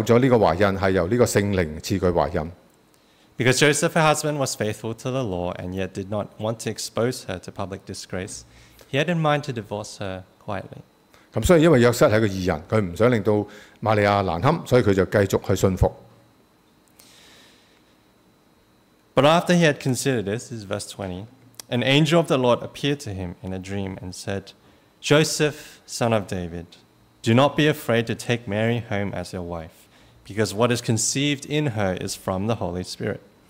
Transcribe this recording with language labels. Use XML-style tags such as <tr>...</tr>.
<zh>瑪利亞其實在結婚之前就已經有了這個懷孕,是由這個聖靈賜她懷孕。</zh> <en>Because Joseph, her husband, was faithful to the law and yet did not want to expose her to public disgrace, he had in mind to divorce her quietly.</en> <zh>所以因為約瑟是一個義人,他不想令瑪利亞難堪,所以他就繼續去信服。</zh> <en>But after he had considered this, this is verse 20, an angel of the Lord appeared to him in a dream and said, Joseph, son of David, do not be afraid to take Mary home as your wife, because what is conceived in her is from the Holy Spirit.</en>